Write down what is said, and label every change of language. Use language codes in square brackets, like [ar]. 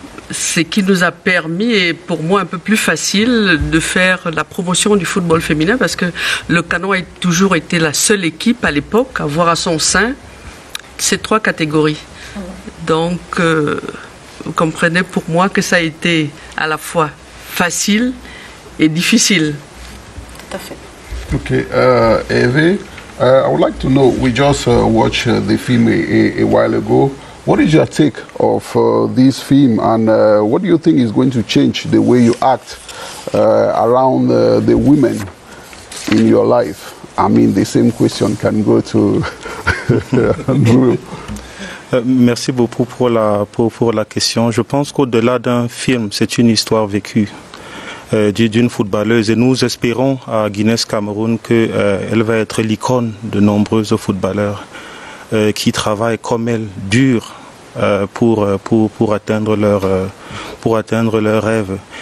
[fr] Ce qui nous a permis, et pour moi un peu plus facile, de faire la promotion du football féminin, parce que le Canon a toujours été la seule équipe à l'époque à avoir à son sein ces trois catégories. Donc, vous comprenez pour moi que ça a été à la fois facile et difficile. Tout à fait. [en] Ok, Eve, I would like to know, we just watched the film a while ago. What is your take of this film, and what do you think is going to change the way you act around the women in your life? I mean, the same question can go to Andrew. [fr] Merci beaucoup pour la question. Je pense qu'au-delà d'un film, c'est une histoire vécue d'une footballeuse, et nous espérons à Guinness Cameroun qu'elle va être l'icône de nombreux footballeurs qui travaillent comme elle, dur pour atteindre leur rêve.